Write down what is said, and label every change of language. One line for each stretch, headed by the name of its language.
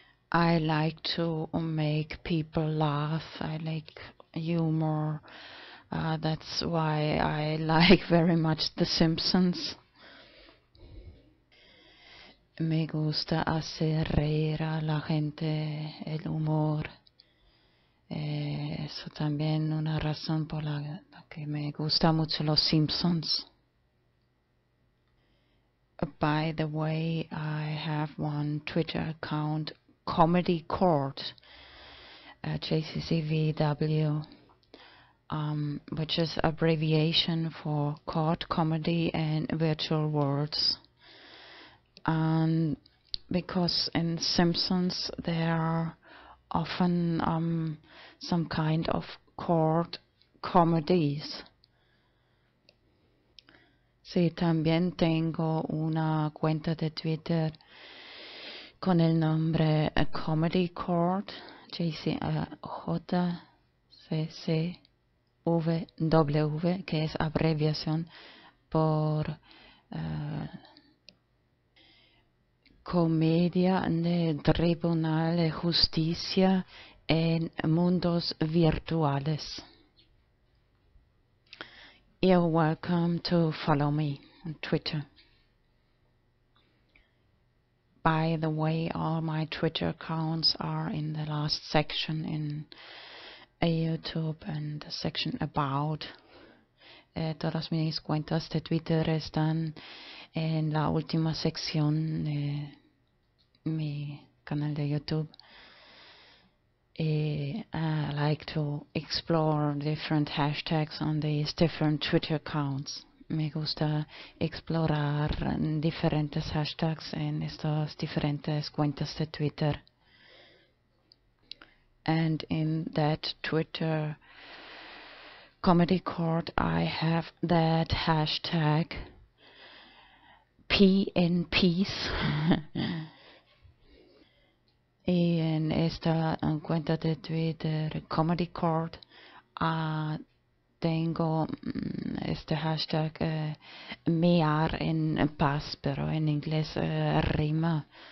English: I like to make people laugh. I like humor. That's why I like very much The Simpsons.
Spanish: Me gusta hacer reír a la gente, el humor. Eso también una razón por la que me gusta mucho Los Simpsons.
English: By the way, I have one Twitter account, Comedy Court, JCCVW, which is abbreviation for Court Comedy and Virtual Worlds. And because in Simpsons there are often some kind of court comedies.
Spanish: Sí, también tengo una cuenta de Twitter con el nombre Comedy Court, JCCVW, que es abreviación por Comedia del Tribunal de Justicia en Mundos Virtuales.
English: You're welcome to follow me on Twitter. By the way, all my Twitter accounts are in the last section in YouTube and the section about.
Spanish: Todas mis cuentas de Twitter están en la última sección de mi canal de YouTube.
English: I like to explore different hashtags on these different Twitter accounts.
Spanish: Me gusta explorar diferentes hashtags en estas diferentes cuentas de Twitter.
English: And in that Twitter Comedy Court, I have that hashtag PNPeace.
Spanish: Y en esta cuenta de Twitter, Comedy Court, tengo este hashtag, mear en paz, pero en inglés rima.